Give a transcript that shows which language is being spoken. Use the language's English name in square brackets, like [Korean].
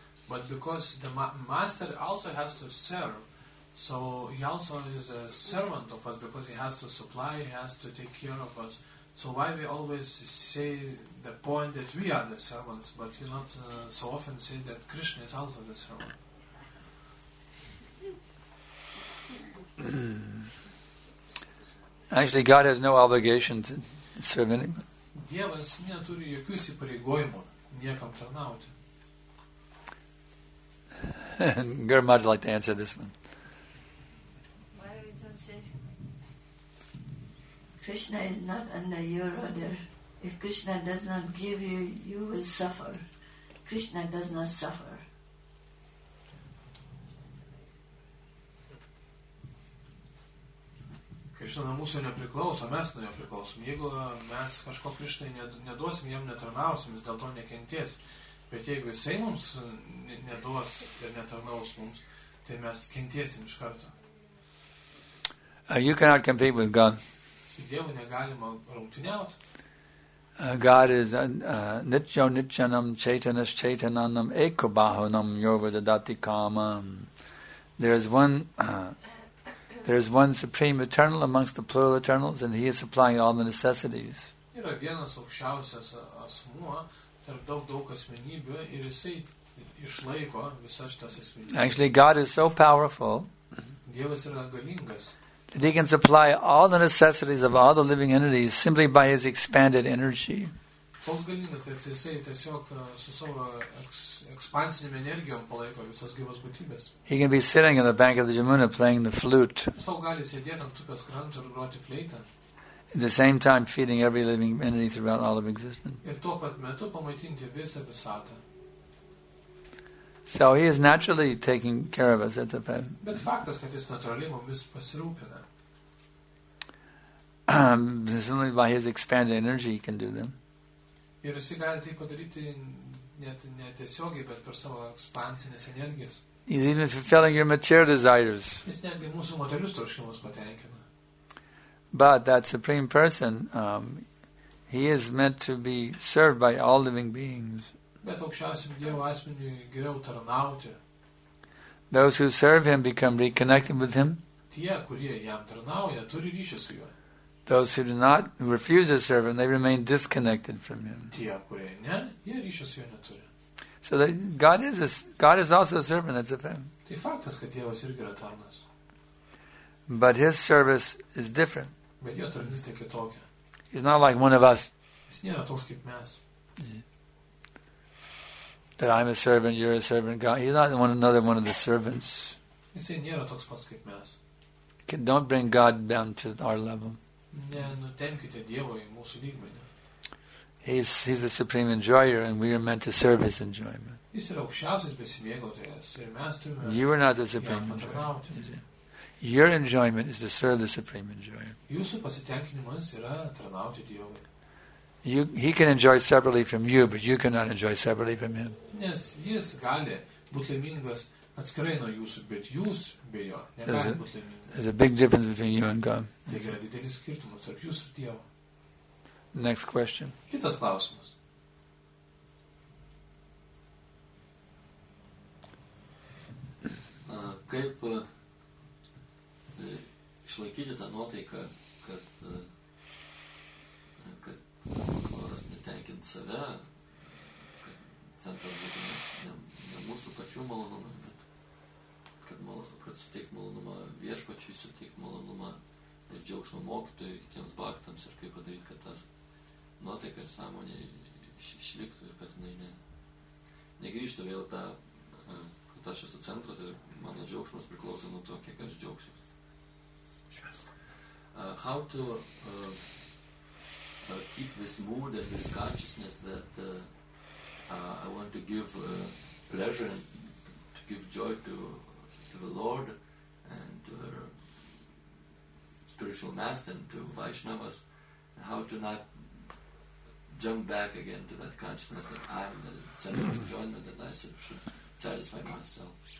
[English] But because the master also has to serve, so he also is a servant of us because he has to supply, he has to take care of us. So why we always say the point that we are the servants, but we not so often say that Krishna is also the servant? Actually, God has no obligation to serve anyone. [Lithuanian] Dievas neturi jokių įsipareigojimų niekam tarnauti. [English] Guru Maharaj would like to answer this one. Krishna is not under your order. If Krishna does not give you, you will suffer. Krishna does not suffer. [Lithuanian] Krishna nuo mūsų nepriklauso, mes nuo jo priklausom. Jeigu mes kažko Krishnai neduosim, jam netarnausim, jis dėl to nekentės. Bet jeigu jisai mums neduos ir netarnaus mums, tai mes kentėsim iš karto. [English] You cannot compete with God. [Lithuanian] Dievu negalima rungtyniauti. [English] God is [Sanskrit] nityo nityanam chaitanas chaitananam ekobahanam yovadadati kama. [English] There is one There is one supreme eternal amongst the plural eternals, and he is supplying all the necessities. [Lithuanian] Yra vienas aukščiausias asmuo tarp daug daug asmenybių, ir jisai išlaiko visas tas asmenybės. [English] Actually, God is so powerful. [Lithuanian] Dievas yra galingas. [English] That he can supply all the necessities of all the living entities simply by his expanded energy. [Lithuanian] Toks galingas, kad jisai tiesiog su savo ekspansinėm energijom palaiko visas gyvas būtybės. [English] He can be sitting on the bank of the Jamuna playing the flute. [Lithuanian] Sau gali sėdėti ant upės kranto ir groti fleitą. [English] At the same time feeding every living entity throughout all of existence. [Lithuanian] Ir tuo pat metu pamaitinti visą visatą. [English] So he is naturally taking care of us at the bed. [Lithuanian] Bet faktas, kad jis natūraliai mumis pasirūpina. [English] It's only by his expanded energy he can do them. [Lithuanian] Ir jis gali tai padaryti netiesiogiai, bet per savo ekspansinės energijas. [English] He's even fulfilling your material desires. [Lithuanian] Jis netgi mūsų materialius troškimus patenkina. [English] But that supreme person, he is meant to be served by all living beings. [Lithuanian] Bet aukščiausiam Dievo asmeniui geriau tarnauti. [English] Those who serve him become reconnected with him. [Lithuanian] Tie, kurie jam tarnauja, turi ryšį su juo. [English] Those who do not refuse to serve him, they remain disconnected from him. [Lithuanian] Tie, kurie ne, jie ryšį su juo neturi. [English] So that God is also a servant, that's a fact. [Lithuanian] Tai faktas, kad Dievas irgi yra tarnas. [English] But his service is different. [Lithuanian] Bet jo tarnystė kitokia. [English] He's not like one of us. [Lithuanian] Jis nėra toks kaip mes. [English] That I'm a servant, you're a servant, God. He's not one, another one of the servants. [Lithuanian] Jisai nėra toks pats kaip mes. [English] Okay, don't bring God down to our level. [Lithuanian] Ne, nutemkite Dievo į mūsų lygmenį. [English] He's the supreme enjoyer, and we are meant to serve his enjoyment. [Lithuanian] Jis yra aukščiausias besimėgautojas, ir mes turime. [English] You are not the supreme enjoyer. Your enjoyment is to serve the supreme enjoyer. [Lithuanian] Jūsų pasitenkinimas yra tarnauti Dievui. [English] He can enjoy separately from you, but you cannot enjoy separately from him. [Lithuanian] Nes jis gali būti laimingas atskirai nuo jūsų, bet jūs be jo negali būti laimingas. [English] There's a big difference between you and God. [Lithuanian] Taigi yra didelis skirtumas tarp jūsų ir Dievo. [English] Next question. [Lithuanian] Kitas klausimas. Kaip išlaikyti tą nuotaiką, kad noras netenkinti save, kad centras būtų ne mūsų pačių malonumas, bet kad suteikti malonumą viešpačiui, suteikti malonumą ir džiaugsmą mokytojui, kitiems baktams, ir kaip padaryti, kad tas nuotaika ir sąmonė išliktų ir kad jinai negrįžtų vėl tą, kad aš esu centras ir mano džiaugsmas priklauso nuo to, kiek aš džiaugsiu. [English] How to keep this mood and this consciousness that I want to give pleasure and to give joy to the Lord and to our spiritual master and to Vaishnavas, and how to not jump back again to that consciousness that I'm the center of enjoyment, that I should satisfy myself.